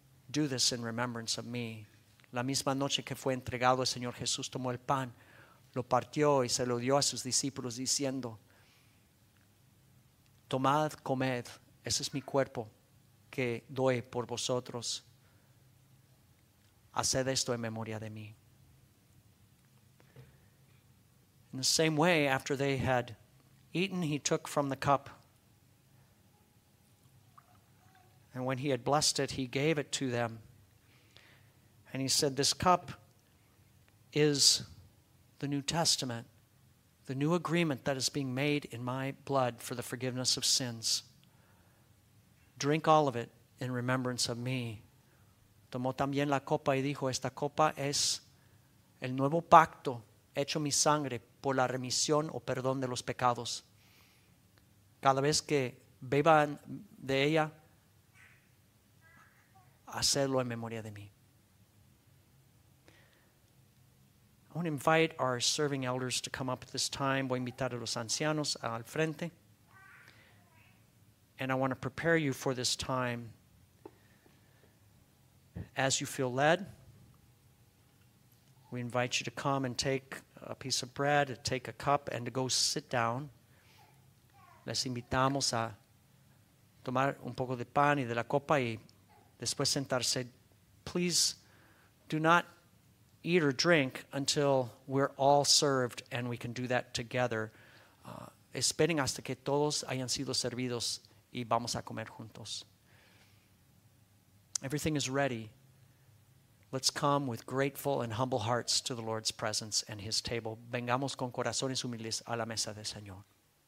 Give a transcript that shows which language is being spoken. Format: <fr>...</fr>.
<en>Do this in remembrance of me.</en> <es>La misma noche que fue entregado, el Señor Jesús tomó el pan, lo partió y se lo dio a sus discípulos diciendo, tomad, comed, ese es mi cuerpo que doy por vosotros. Haced esto en memoria de mí.</es> <en>In the same way, after they had eaten, he took from the cup. And when he had blessed it, he gave it to them. And he said, this cup is the New Testament, the new agreement that is being made in my blood for the forgiveness of sins. Drink all of it in remembrance of me.</en> <es>Tomó también la copa y dijo, esta copa es el nuevo pacto hecho mi sangre por la remisión o perdón de los pecados. Cada vez que beban de ella, hacedlo en memoria de mí.</es> <en>I want to invite our serving elders to come up at this time.</en> <es>Voy a invitar a los ancianos al frente.</es> <en>And I want to prepare you for this time as you feel led. We invite you to come and take a piece of bread, to take a cup, and to go sit down.</en> <es>Les invitamos a tomar un poco de pan y de la copa y después sentarse.</es> <en>Please do not eat or drink until we're all served and we can do that together.</en> <es>Esperen hasta que todos hayan sido servidos y vamos a comer juntos.</es> <en>Everything is ready. Let's come with grateful and humble hearts to the Lord's presence and his table.</en> <es>Vengamos con corazones humildes a la mesa del Señor.</es>